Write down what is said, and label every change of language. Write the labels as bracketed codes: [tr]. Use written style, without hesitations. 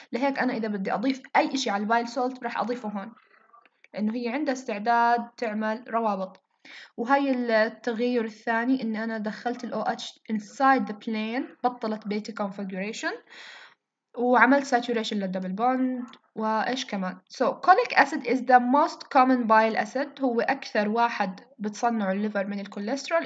[ar] لهيك انا اذا بدي اضيف اي شيء على البايل سولت راح اضيفه هون لانه هي عندها استعداد تعمل روابط. وهي التغيير الثاني ان انا دخلت الاو اتش انسايد ذا بلين بطلت بيتا كونفيجريشن وعملت saturation للدبل بوند. وإيش كمان؟ [en] so cholic acid is the most common bile acid. [ar] هو أكثر واحد بتصنع الليفر من الكوليسترول.